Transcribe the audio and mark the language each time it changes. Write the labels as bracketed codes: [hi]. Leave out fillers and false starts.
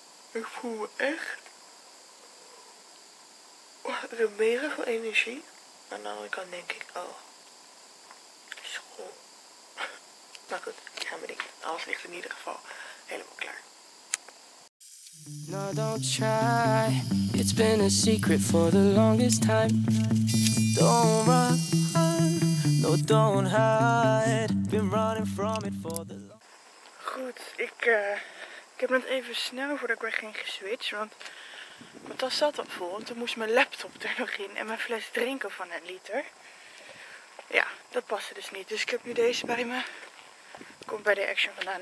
[nl] Ik voel me echt. Ik heb mega veel energie. Aan de andere kant denk ik, oh. School. Maar goed, ja, maar ik, alles ligt in ieder geval helemaal klaar. [en] No, don't try. It's been a secret for the longest time. Don't run. No, don't hide. Been running from it for the long. [nl] Goed, ik heb net even snel voordat ik weer ging geswitcht. Want mijn tas zat al vol. Toen moest mijn laptop er nog in en mijn fles drinken van 1 liter. Ja, dat paste dus niet. Dus ik heb nu deze bij me. Komt bij de Action vandaan.